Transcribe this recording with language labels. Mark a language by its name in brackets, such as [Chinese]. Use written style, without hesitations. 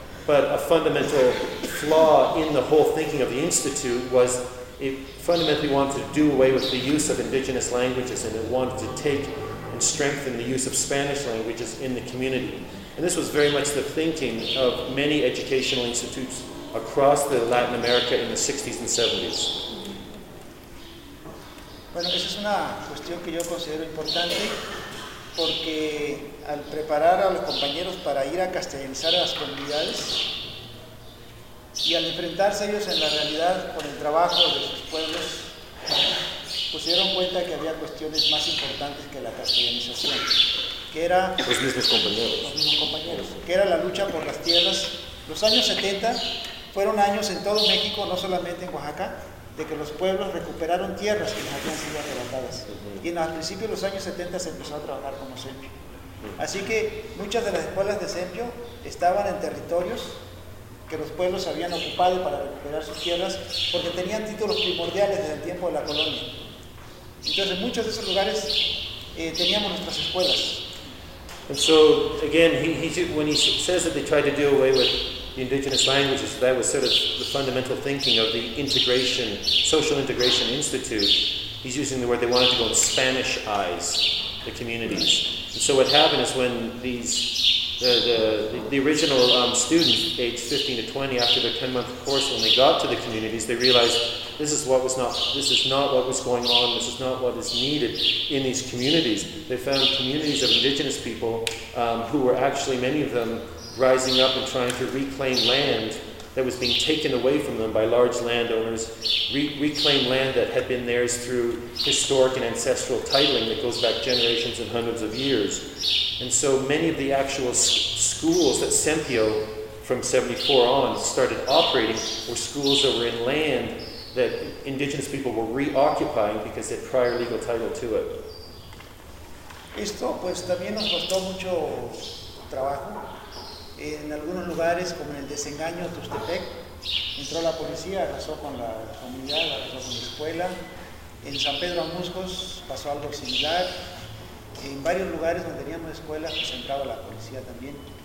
[English] But a fundamental flaw in the whole thinking of the institute was it fundamentally wanted to do away with the use of indigenous languages, and it wanted to take and strengthen the use of Spanish languages in the community. And this was very much the thinking of many educational institutes across the Latin America in the 60s and 70s. [Spanish] Bueno, esa es una cuestión que yo considero importante, porque al preparar a los compañeros para ir a castellanizar a las comunidades y al enfrentarse ellos en la realidad con el trabajo de sus pueblos, pues se dieron cuenta que había cuestiones más importantes que la castellanización, que era los mismos compañeros. Que era la lucha por las tierras. Los años 70 fueron años en todo México, no solamente en Oaxaca, de que los pueblos recuperaron tierras que les habían sido arrebatadas. Y en los principios de los años 70 se empezó a trabajar con los CEMPIO. Así que muchas de las escuelas de CEMPIO estaban en territorios que los pueblos habían ocupado para recuperar sus tierras, porque tenían títulos primordiales desde el tiempo de la colonia. Entonces, en muchos de esos lugares teníamos nuestras escuelas. [English] And so, again, when he says that they tried to do away with the indigenous languages, that was sort of the fundamental thinking of the integration, social integration institute. He's using the word they wanted to go and Spanishize the communities. And so what happened is when these the original students, aged 15 to 20, after their 10-month course, when they got to the communities, they realized this is not what was going on, this is not what is needed in these communities. They found communities of indigenous people who were actually, many of them, rising up and trying to reclaim land that was being taken away from them by large landowners, reclaim land that had been theirs through historic and ancestral titling that goes back generations and hundreds of years. And so many of the actual schools that CEMPIO, from 74 on, started operating were schools that were in land that indigenous people were reoccupying because they had prior legal title to it. [Spanish] Esto pues también nos costó mucho trabajo. En algunos lugares, como en el desengaño de Tuxtepec, entró la policía, arrasó con la comunidad, arrasó con la escuela. En San Pedro Amuscos pasó algo similar. En varios lugares donde teníamos escuelas, pues entraba la policía también.